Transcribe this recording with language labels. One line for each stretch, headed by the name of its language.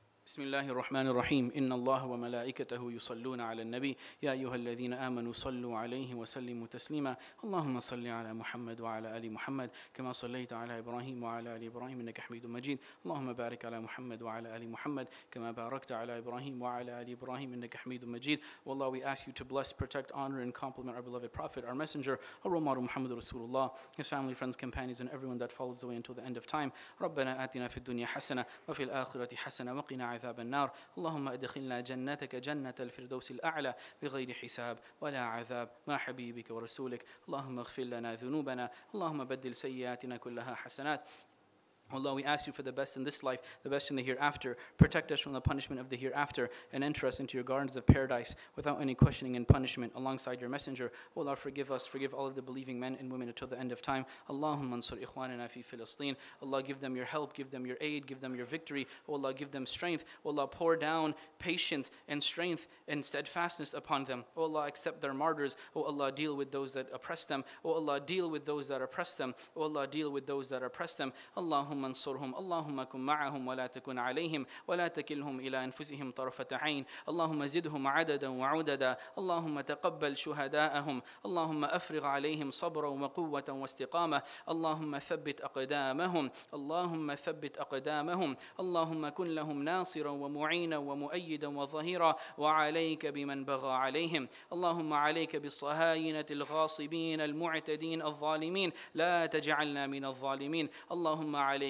Arabic: بسم الله الرحمن الرحيم إن الله وملائكته يصلون على النبي يا أيها الذين آمنوا صلوا عليه وسلموا تسليما اللهم صل على محمد وعلى آل محمد كما صليت على إبراهيم وعلى آل إبراهيم إنك حميد مجيد اللهم بارك على محمد وعلى آل محمد كما باركت على إبراهيم وعلى آل إبراهيم إنك حميد مجيد والله
English: we ask you to bless, protect, honor and compliment our beloved prophet, our messenger, our role model
Arabic: محمد رسول الله,
English: his family, friends, companions and everyone that follows the way until the end of time.
Arabic: ربنا آتنا في الدنيا حسنة وفي الآخرة حسنة وقنا عذاب النار اللهم ادخلنا جنتك جنة الفردوس الأعلى بغير حساب ولا عذاب مع حبيبك ورسولك اللهم اغفر لنا ذنوبنا اللهم بدل سيئاتنا كلها حسنات.
English: Allah, we ask you for the best in this life, the best in the hereafter. Protect us from the punishment of the hereafter and enter us into your gardens of paradise without any questioning and punishment alongside your messenger. Allah, forgive us. Forgive all of the believing men and women until the end of time.
Arabic: Allahumma ansur ikhwanana fi Filistin.
English: Allah, give them your help. Give them your aid. Give them your victory. Allah, give them strength. Allah, pour down patience and strength and steadfastness upon them. Allah, accept their martyrs. Allah, deal with those that oppress them. Allah, deal with those that oppress them. Allah, deal with those that oppress them.
Arabic: Allah, اللهم كن معهم ولا تكن عليهم ولا تكلهم إلى أنفسهم طرفة عين اللهم زدهم عددا وعددا اللهم تقبل شهداءهم اللهم أفرغ عليهم صبرا وقوة واستقامة اللهم ثبت أقدامهم اللهم ثبت أقدامهم اللهم كن لهم ناصرا ومعينا ومؤيدا وظهيرا وعليك بمن بغى عليهم اللهم عليك بالصهاينة الغاصبين المعتدين الظالمين لا تجعلنا من الظالمين اللهم عليك